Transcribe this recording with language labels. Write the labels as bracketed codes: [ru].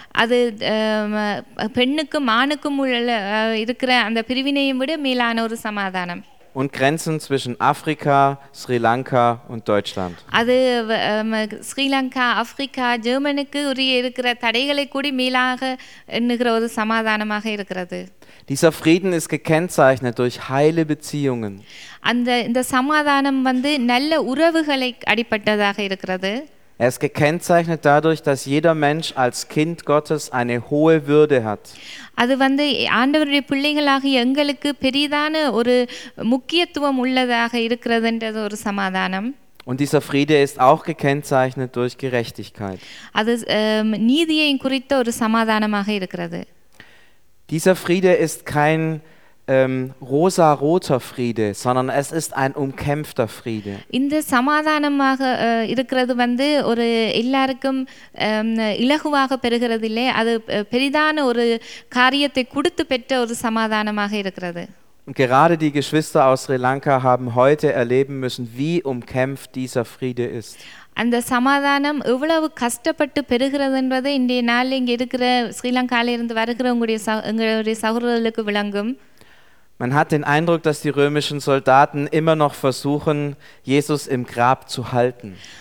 [ta] அது பெண்ணுக்கும் ஆணுக்கும் உள்ள இருக்கிற அந்த பிரிவினையும் விட மேலான ஒரு சமாதானம். [de] Und Grenzen zwischen Afrika, Sri Lanka und Deutschland. [ta] அது Sri Lanka, Afrika, Germanyக்கு உரிய இருக்கிற தடைகளை கூட மேலாக எண்ணுகிற ஒரு சமாதானமாக இருக்கிறது. [de] Dieser Frieden ist gekennzeichnet durch heile Beziehungen. [ta] அந்த இந்த சமாதானம் வந்து நல்ல உறவுகளை அடிப்பட்டதாக இருக்கிறது. [de] Er ist gekennzeichnet dadurch, dass jeder Mensch als Kind Gottes eine hohe Würde hat. [ta] அது வந்து ஆண்டவருடைய பிள்ளைகளாகிய எங்களுக்கு பெரிதான ஒரு முக்கியத்துவம் உள்ளதாக இருக்கிறதுன்றது ஒரு சமாதானம். [de] Und dieser Friede ist auch gekennzeichnet durch Gerechtigkeit. [ta] அது நீதியின் குறித்த ஒரு சமாதானமாக இருக்கிறது. [de] Dieser Friede ist kein rosa-roter Friede, sondern es ist ein umkämpfter Friede. [ta] இந்த சமாதானமாக இருக்கிறது வந்து ஒரு எல்லாருக்கும் இலகுவாக பெறுகிறது இல்லை, அது பெரிதான ஒரு காரியத்தை கொடுத்து பெற்ற ஒரு சமாதானமாக இருக்கிறது. [de] Und gerade die Geschwister aus Sri Lanka haben heute erleben müssen, wie umkämpft dieser Friede ist. [ta] அந்த சமாதானம் எவ்வளவு கஷ்டப்பட்டு பெறுகிறது என்பதை இன்றைய நாளில் இங்கே இருக்கிற ஸ்ரீலங்கால இருந்து வருகிற எங்களுடைய சகோதரர்களுக்கு விளங்கும். [de] Man hat den Eindruck, dass die römischen Soldaten immer noch versuchen, Jesus im Grab zu halten.